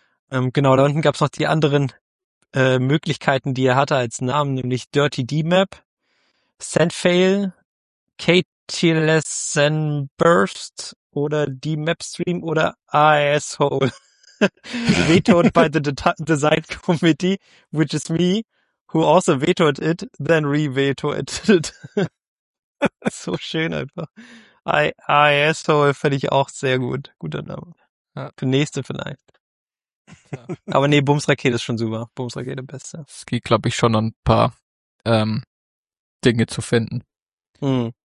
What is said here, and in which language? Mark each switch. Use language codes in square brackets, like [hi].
[de] Genau, da unten gab es noch die anderen Möglichkeiten, die er hatte als Namen, nämlich Dirty D-Map, Sendfail, KTLS and Burst, oder die Mapstream oder Asshole. [en] Vetoed by the Design Committee, which is me, who also vetoed it, then re-vetoed it. [de] So schön einfach. Asshole fände ich auch sehr gut. Guter Name. Ja. Für nächste vielleicht. Ja. Aber nee, Bumsrakete ist schon super. Bumsrakete beste. Es geht, glaube ich, schon ein paar Dinge zu finden. Hm.